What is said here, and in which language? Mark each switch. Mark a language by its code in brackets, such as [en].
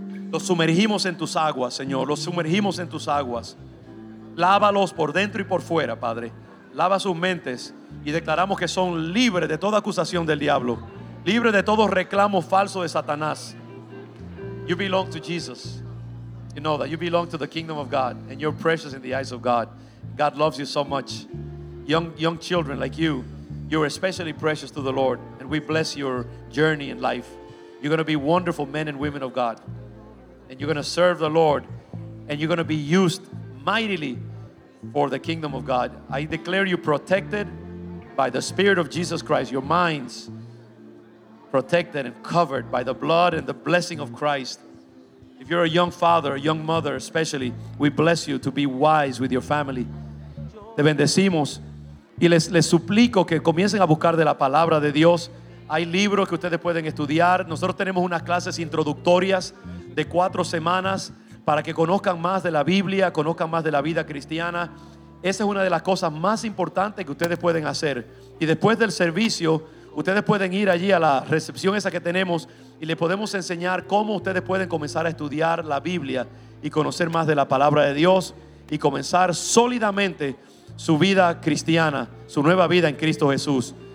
[es] Los sumergimos en tus aguas, Señor. Los sumergimos en tus aguas. Lávalos por dentro y por fuera, Padre. Lava sus mentes y declaramos que son libres de toda acusación del diablo. Libres de todo reclamo falso de Satanás. [en] You belong to Jesus. You know that you belong to the kingdom of God and you're precious in the eyes of God. God loves you so much. Young children like you, you're especially precious to the Lord. And we bless your journey in life. You're going to be wonderful men and women of God. And you're going to serve the Lord. And you're going to be used mightily for the kingdom of God. I declare you protected by the Spirit of Jesus Christ. Your minds protected and covered by the blood and the blessing of Christ. If you're a young father, a young mother especially, we bless you to be wise with your family. [es] Te bendecimos y les suplico que comiencen a buscar de la palabra de Dios. Hay libros que ustedes pueden estudiar. Nosotros tenemos unas clases introductorias de 4 semanas para que conozcan más de la Biblia, conozcan más de la vida cristiana. Esa es una de las cosas más importantes que ustedes pueden hacer. Y después del servicio, ustedes pueden ir allí a la recepción esa que tenemos y les podemos enseñar cómo ustedes pueden comenzar a estudiar la Biblia y conocer más de la palabra de Dios y comenzar sólidamente su vida cristiana, su nueva vida en Cristo Jesús.